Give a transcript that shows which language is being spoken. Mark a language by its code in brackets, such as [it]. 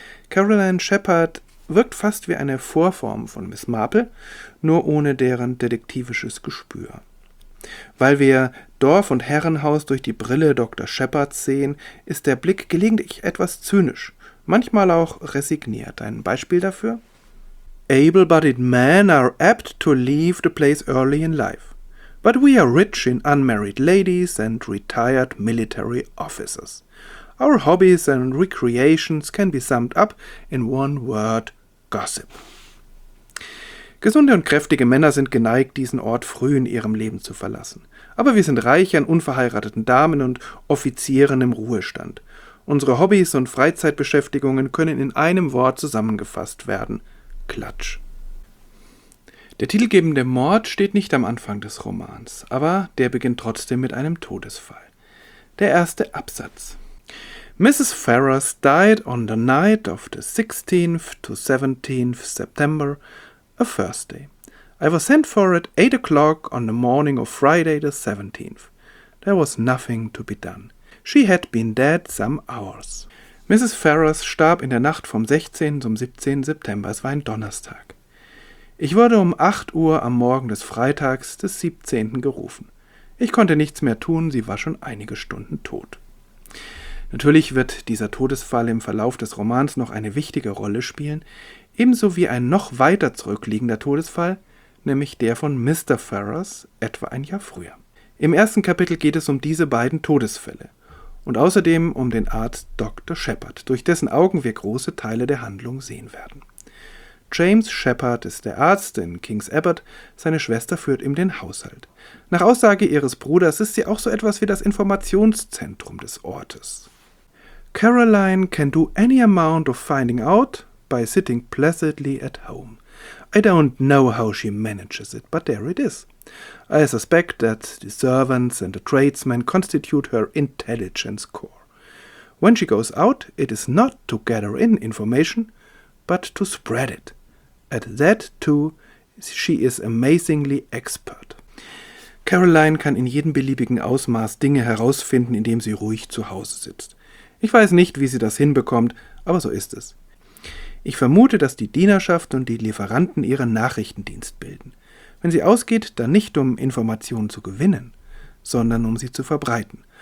[de] Caroline Shepard wirkt fast wie eine Vorform von Miss Marple, nur ohne deren detektivisches Gespür. Weil wir Dorf und Herrenhaus durch die Brille Dr. Shepards sehen, ist der Blick gelegentlich etwas zynisch, manchmal auch resigniert. Ein Beispiel dafür? [en] Able-bodied men are apt to leave the place early in life. But we are rich in unmarried ladies and retired military officers. Our hobbies and recreations can be summed up in one word: gossip. [de] Gesunde und kräftige Männer sind geneigt, diesen Ort früh in ihrem Leben zu verlassen. Aber wir sind reich an unverheirateten Damen und Offizieren im Ruhestand. Unsere Hobbys und Freizeitbeschäftigungen können in einem Wort zusammengefasst werden: Klatsch. Der titelgebende Mord steht nicht am Anfang des Romans, aber der beginnt trotzdem mit einem Todesfall. Der erste Absatz. Mrs. [en] Ferrars died on the night of the 16th to 17th September, a Thursday. I was sent for at 8 o'clock on the morning of Friday the 17th. There was nothing to be done. She had been dead some hours. Mrs. [de] Ferrars starb in der Nacht vom 16. zum 17. September. Es war ein Donnerstag. Ich wurde um 8 Uhr am Morgen des Freitags des 17. gerufen. Ich konnte nichts mehr tun, sie war schon einige Stunden tot. Natürlich wird dieser Todesfall im Verlauf des Romans noch eine wichtige Rolle spielen, ebenso wie ein noch weiter zurückliegender Todesfall, nämlich der von Mr. Ferrars etwa ein Jahr früher. Im ersten Kapitel geht es um diese beiden Todesfälle und außerdem um den Arzt Dr. Shepard, durch dessen Augen wir große Teile der Handlung sehen werden. James Shepard ist der Arzt in King's Abbot, seine Schwester führt ihm den Haushalt. Nach Aussage ihres Bruders ist sie auch so etwas wie das Informationszentrum des Ortes. [en] Caroline can do any amount of finding out by sitting placidly at home. I don't know how she manages it, but there it is. I suspect that the servants and the tradesmen constitute her intelligence core. When she goes out, it is not to gather in information, but to spread it. At that too, she is amazingly expert. [de] Caroline kann in jedem beliebigen Ausmaß Dinge herausfinden, indem sie ruhig zu Hause sitzt. Ich weiß nicht, wie sie das hinbekommt, aber so ist es. Ich vermute, dass die Dienerschaft und die Lieferanten ihren Nachrichtendienst bilden. Wenn sie ausgeht, dann nicht um Informationen zu gewinnen, sondern um sie zu verbreiten.